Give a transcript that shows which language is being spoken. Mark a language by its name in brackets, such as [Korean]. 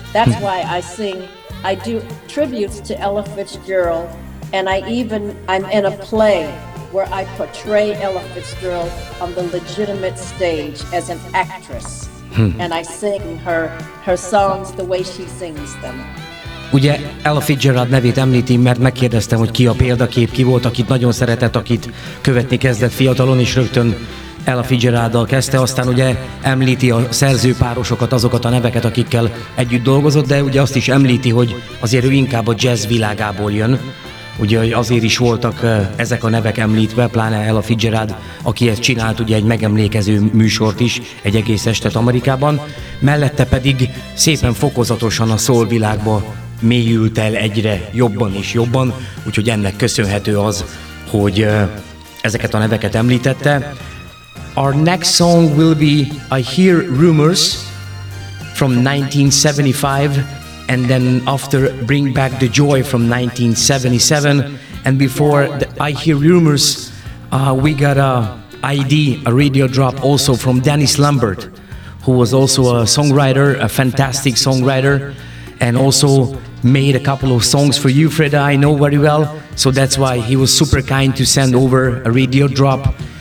[English] That's why I sing, I do tributes to Ella Fitzgerald, and I'm in a play where I portray Ella Fitzgerald on the legitimate stage as an actress, and I sing her songs the way she sings them. [Hungarian] Ugye Ella Fitzgerald nevét említi, mert megkérdeztem, hogy ki a példakép, ki volt, akit nagyon szeretett, akit követni kezdett fiatalon, és rögtön Ella Fitzgeralddal kezdte, aztán ugye említi a szerzőpárosokat, azokat a neveket, akikkel együtt dolgozott, de ugye azt is említi, hogy azért ő inkább a jazz világából jön. Ugye azért is voltak ezek a nevek említve, pláne Ella Fitzgerald, aki ezt csinált ugye egy megemlékező műsort is, egy egész estet Amerikában. Mellette pedig szépen fokozatosan a soul világba mélyült el egyre jobban és jobban, úgyhogy ennek köszönhető az, hogy ezeket a neveket említette. [English] Our next song will be I Hear Rumors from 1975, and then after Bring Back the Joy from 1977, and before the I Hear Rumors, we got a radio drop also from Dennis Lambert, who was also a songwriter, a fantastic songwriter, and also made a couple of songs for you, Freda, I know very well, so that's why he was super kind to send over a radio drop.